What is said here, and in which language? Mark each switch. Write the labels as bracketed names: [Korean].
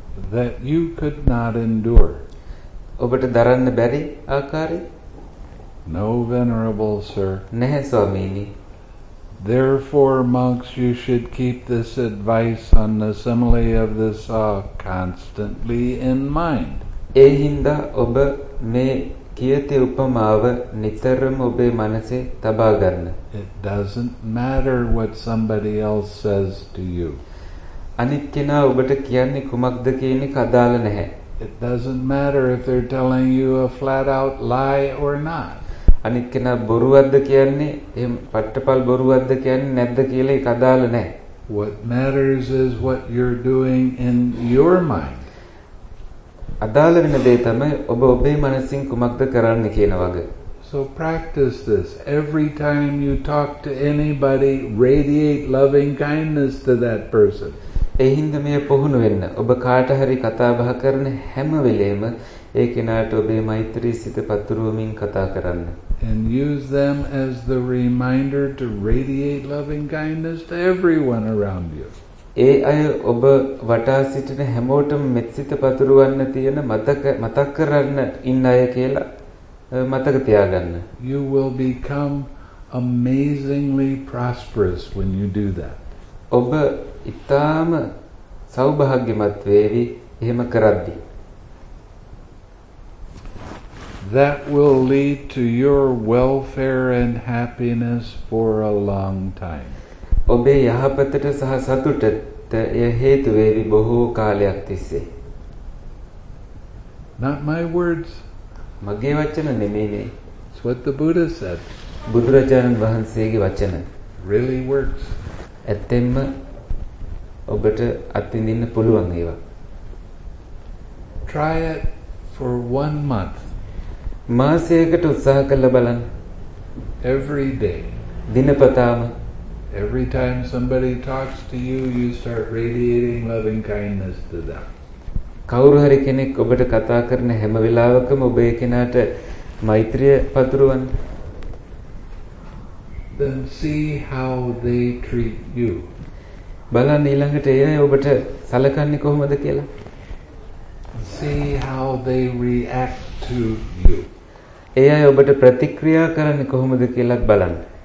[English] that you could not endure [Sinhala] ඔබට දරන්න බැරි ආකාරي [English] no venerable sir [Sinhala] නැහැ ස්වාමීනි [English] therefore monks you should keep this advice on the simile of the saw constantly in mind [Sinhala] ඒ හින්දා ඔබ මේ කීයේ උපමාව නිතරම ඔබේ මනසේ තබා ගන්න [English] it doesn't matter what somebody else says to you [Sinhala] අනිත් කෙනා ඔබට කියන්නේ කුමක්ද කියන එක අදාළ නැහැ. [English] It doesn't matter if they're telling you a flat out lie or not. [Sinhala] අනිත් කෙනා බොරුවක්ද කියන්නේ එහෙම පට්ටපල් බොරුවක්ද කියන්නේ නැද්ද කියලා ඒක අදාළ නැහැ. [English] What matters is what you're doing in your mind. [Sinhala] අදාළ වෙන දේ තමයි ඔබ ඔබේ මනසින් කුමක්ද කරන්න කියන වගේ. [English] So practice this. Every time you talk to anybody, radiate loving kindness to that person. [Sinhala] එහින්ද මේ පුහුණු වෙන්න. ඔබ කාට හරි කතා බහ කරන හැම වෙලේම ඒ කෙනාට ඔබේ මෛත්‍රී සිත පතුරවමින් කතා කරන්න. [English] And use them as the reminder to radiate loving kindness to everyone around you. [Sinhala] ඒ අය ඔබ වටා සිටින හැමෝටම මෙත් සිත පතුරවන්න තියෙන මතක කරන්න ඉන්න අය කියලා. [English] You will become amazingly prosperous when you do that. [Sinhala] ඔබ ඉතාම සෞභාග්‍යමත් වේවි එහෙම කරද්දී. [English] That will lead to your welfare and happiness for a long time. [Sinhala] ඔබේ යහපතට සහ සතුටට එය හේතු වේවි බොහෝ කාලයක් තිස්සේ. [English] Not my words. [Sinhala] මගේ වචන නෙමෙයි. [English] So what the Buddha said. [Sinhala] බුදුරජාණන් වහන්සේගේ වචන. [English] Really works. [Sinhala] ඇත්තෙන්ම ඔබට අත්විඳින්න පුළුවන් ඒවා. [English] Try it for 1 month. [Sinhala] මාසයකට උත්සාහ කරලා බලන්න. [English] Every day. [Sinhala] දිනපතාම. [English] Every time somebody talks to you, you start radiating loving kindness to them. [Sinhala] කවුරු හරි කෙනෙක් ඔබට කතා කරන හැම වෙලාවකම ඔබ ඒ කෙනාට මෛත්‍රිය පතුරවන්න. [English] Then see how they treat you. [Sinhala] බලන්න ඊළඟට ඒ අය ඔබට සැලකන්නේ කොහොමද කියලා. [English] See how they react to you. [Sinhala] ඒ අය ඔබට ප්‍රතික්‍රියා කරන්නේ කොහොමද කියලා බලන්න.